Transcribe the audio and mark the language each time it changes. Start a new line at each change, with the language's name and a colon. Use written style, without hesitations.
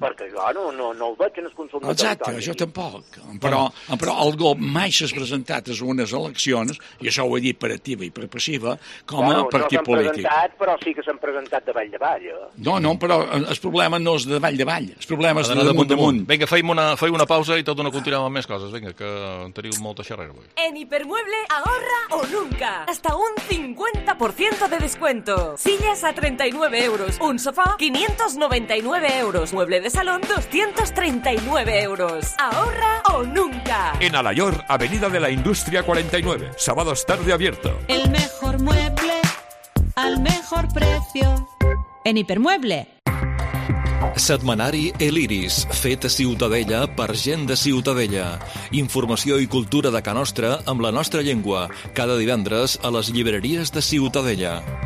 Catalan: Perquè jo no el veig en el consum de territori. Exacte, jo tampoc. Però el GOP mai s'ha presentat a unes eleccions, i això ho he dit per activa i per passiva, com a partit polític. No s'han presentat, però sí que s'han presentat de vall de vall. No, però el problema no és de vall de vall, el problema és de damunt damunt.
Spanish: Vinga, una pausa y todo no continuamos con más cosas. Venga, que tenéis mucho charrer hoy. En Hipermueble ahorra o nunca. Hasta un 50% de descuento. Sillas a 39 euros. Un sofá, 599 euros. Mueble de salón, 239 euros. Ahorra o nunca. En Alayor, Avenida de la Industria 49. Sábados tarde abierto. El mejor mueble al mejor precio. En Hipermueble.
Catalan: Setmanari El Iris, fet a Ciutadella per gent de Ciutadella. Informació i cultura de Can Nostre amb la nostra llengua, cada divendres a les llibreries de Ciutadella.